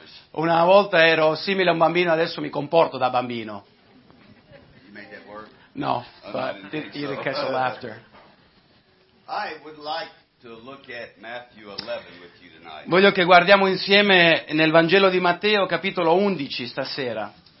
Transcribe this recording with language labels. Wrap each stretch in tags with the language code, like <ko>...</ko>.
<it>Una volta ero simile a un bambino, adesso mi comporto da bambino.</it> <en>No, but you didn't catch the laughter. I would like to look at Matthew 11 with you tonight.</en> <it>Voglio che guardiamo insieme nel Vangelo di Matteo capitolo 11 stasera.</it>